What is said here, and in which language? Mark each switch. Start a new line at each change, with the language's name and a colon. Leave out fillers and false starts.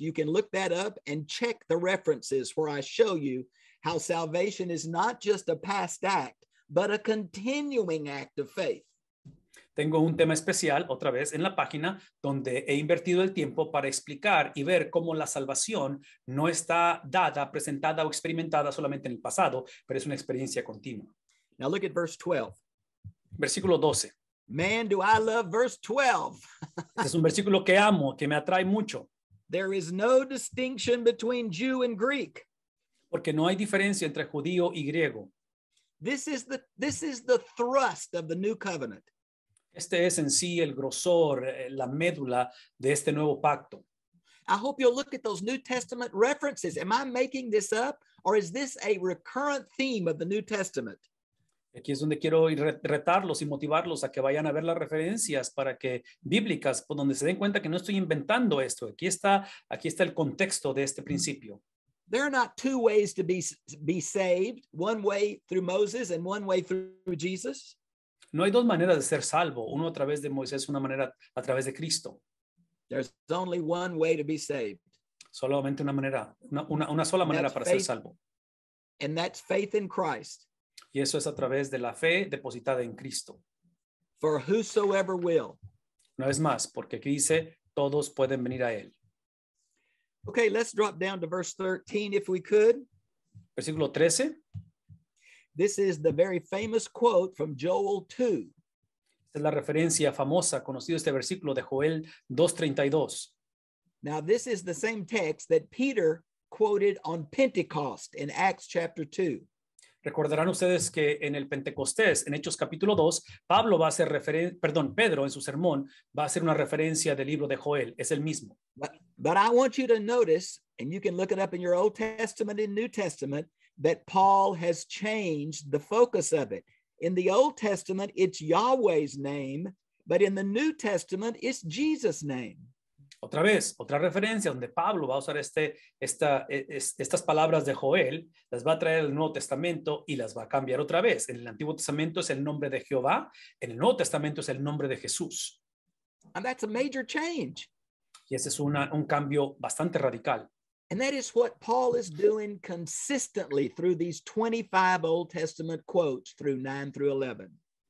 English: You can look that up and check the references where I show you how salvation is not just a past act, but a continuing act of faith.
Spanish: Tengo un tema especial, otra vez, en la página donde he invertido el tiempo para explicar y ver cómo la salvación no está dada, presentada o experimentada solamente en el pasado, pero es una experiencia continua.
English: Now look at verse 12.
Spanish: Versículo 12.
English: Man, do I love verse 12.
Spanish: Este es un versículo que amo, que me atrae mucho.
English: There is no distinction between Jew and Greek.
Spanish: Porque no hay diferencia entre judío y griego.
English: This is the thrust of the new covenant.
Spanish: Este es en sí el grosor, la médula de este nuevo pacto.
English: I hope you'll look at those New Testament references. Am I making this up? Or is this a recurrent theme of the New Testament?
Spanish: Aquí es donde quiero retarlos y motivarlos a que vayan a ver las referencias para que bíblicas, por donde se den cuenta que no estoy inventando esto. Aquí está el contexto de este principio.
English: There are not two ways to be saved. One way through Moses and one way through Jesus.
Spanish: No hay dos maneras de ser salvo, uno a través de Moisés, una manera a través de Cristo.
English: There's only one way to be saved.
Spanish: Solamente una manera, una sola manera para ser salvo.
English: And that's faith in Christ.
Spanish: Y eso es a través de la fe depositada en Cristo.
English: For whosoever will.
Spanish: Una vez más, porque aquí dice, todos pueden venir a él.
English: Okay, let's drop down to verse 13 if we could.
Spanish: Versículo 13.
English: This is the very famous quote from Joel 2.
Spanish: Esta es la referencia famosa, conocido este versículo de Joel 2:32.
English: Now, this is the same text that Peter quoted on Pentecost in Acts chapter 2.
Spanish: Recordarán ustedes que en el Pentecostés, en Hechos capítulo 2, Pedro en su sermón va a hacer una referencia del libro de Joel. Es el mismo.
English: But I want you to notice, and you can look it up in your Old Testament and New Testament, that Paul has changed the focus of it. In the Old Testament, it's Yahweh's name, but in the New Testament, it's Jesus' name.
Spanish: Otra vez, otra referencia donde Pablo va a usar estas palabras de Joel, las va a traer al Nuevo Testamento y las va a cambiar otra vez. En el Antiguo Testamento es el nombre de Jehová, en el Nuevo Testamento es el nombre de Jesús.
English: And that's a major change.
Spanish: Y ese es un cambio bastante radical.
English: And that is what Paul is doing consistently through these 25 Old Testament quotes through 9 through 11.